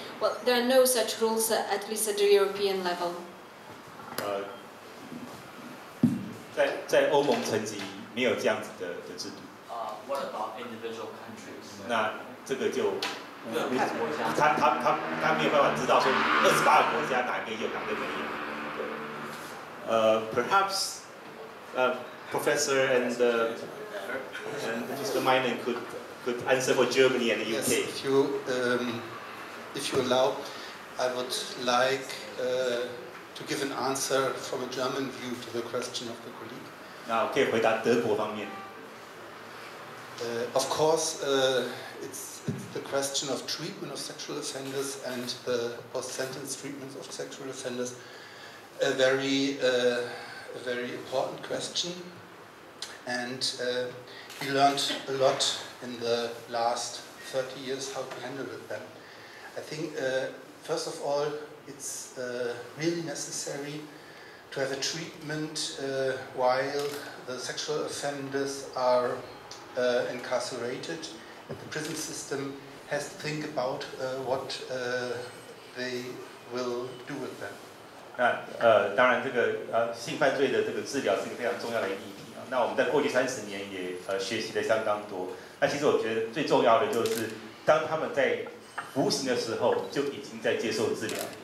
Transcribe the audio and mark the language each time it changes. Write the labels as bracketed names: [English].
[English] Well, there are no such rules, at least at the European level. [Chinese] 在欧盟层级没有这样子的制度。 [English] What about individual countries? [Chinese] 那这个就看国家，他没有办法知道说28个国家哪个有哪个没有。 [English] Perhaps, Professor and Mr. Meinen could answer for Germany and the UK. Yes, if you allow, I would like to give an answer from a German view to the question of the colleague. [Chinese] 那我可以回答德国方面。 [English] Of course, it's the question of treatment of sexual offenders and the post-sentence treatment of sexual offenders, a very important question. And we learned a lot in the last 30 years how to handle with them. I think, first of all, it's really necessary. To have a treatment while the sexual offenders are incarcerated, and the prison system has to think about what they will do with them. [Chinese] 那当然，这个性犯罪的这个治疗是一个非常重要的议题啊。那我们在过去三十年也学习了相当多。那其实我觉得最重要的就是，当他们在服刑的时候就已经在接受治疗。